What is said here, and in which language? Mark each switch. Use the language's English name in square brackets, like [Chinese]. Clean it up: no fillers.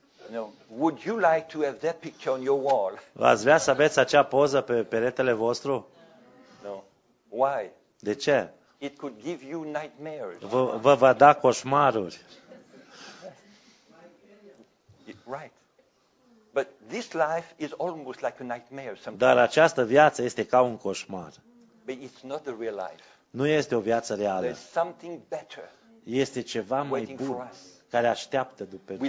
[English] No, would you like to have that picture on your wall? [Romanian] V-ați vrea să aveți acea poză pe peretele vostru? [English] No. Why? [Romanian] De ce? [English] It could give you nightmares. [Romanian] Vă va da coșmaruri. [English] Right. But this life is almost like a nightmare sometimes. [Romanian] Dar această viață este ca un coșmar. [English] But it's not the real life. [Romanian] Nu este o viață reală. [English] There's something better. [Romanian] Este ceva mai bun care așteaptă după noi.